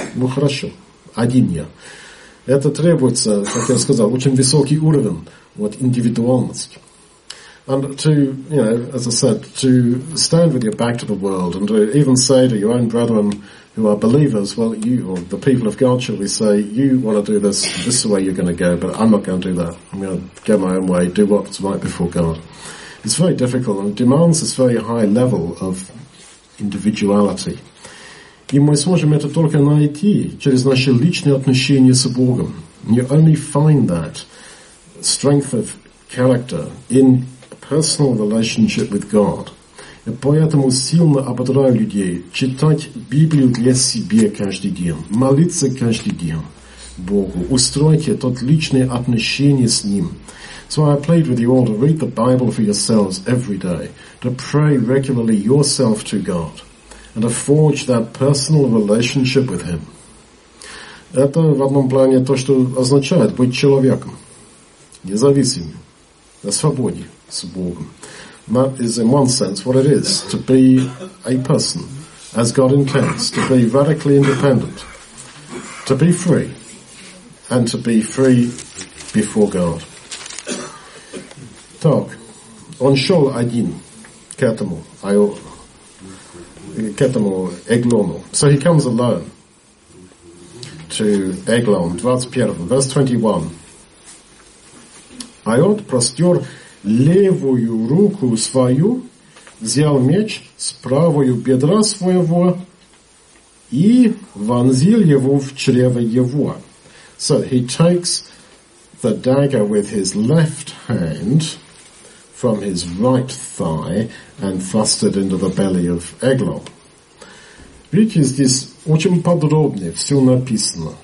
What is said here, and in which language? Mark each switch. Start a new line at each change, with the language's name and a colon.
Russian: Ну хорошо, один я. Это требуется, как я сказал, очень высокий уровень вот индивидуальности.
English: And to, you know, as I said, to stand with your back to the world and to even say to your own brethren who are believers, well, you, or the people of God, shall we say, you want to do this, this is the way you're going to go, but I'm not going to do that. I'm going to go my own way, do what's right before God. It's very difficult and demands this very high level of individuality.
Russian: И мы сможем это только найти через наши личные отношения с Богом.
English: You only find that strength of character in personal relationship with God.
Russian: Я поэтому сильно ободраю людей читать Библию для себя каждый день, молиться каждый день Богу, устройте тот личное отношение с Ним.
English: So I plead with you all to read the Bible for yourselves every day, to pray regularly yourself to God, and to forge that personal relationship with Him.
Russian: Это в одном плане то, что означает быть человеком, независимым, на свободе.
English: That is, in one sense, what it is to be a person, as God intends, to be radically independent, to be free, and to be free before God.
Russian: Так, он шел один к этому Эглону.
English: So he comes alone to Eglon. 21, verse 21.
Russian: Айот простер левую руку свою, взял меч с правою бедра своего и вонзил его в чрево его.
English: So he takes the dagger with his left hand from his right thigh and thrust it into the belly of Eglon.
Russian: Видите, здесь очень подробно все написано.